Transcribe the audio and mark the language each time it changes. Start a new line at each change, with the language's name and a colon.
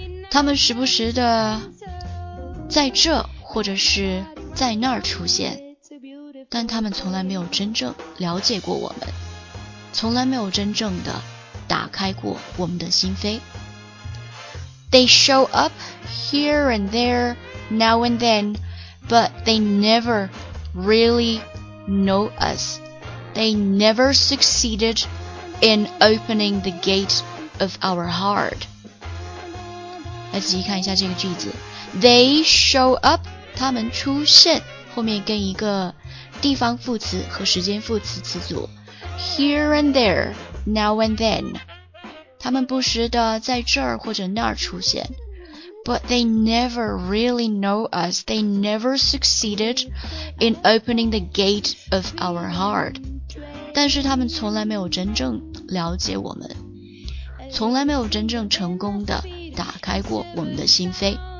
Chinese: 他们时不时的在这或者是在那儿出现，但他们从来没有真正了解过我们，从来没有真正的打开过我们的心扉。
English: They show up here and there, now and then, but they never really know us. They never succeeded in opening the gate of our heart.
Chinese: 来仔细看一下这个句子。
English: They show up,
Chinese: 他们出现，后面跟一个地方副词和时间副词词组。
English: Here and there, now and then.
Chinese: 他们不时地在这儿或者那儿出现
English: But they never really know us. They never succeeded in opening the gate of our heart.
Chinese: 但是他们从来没有真正了解我们，从来没有真正成功地打开过我们的心扉。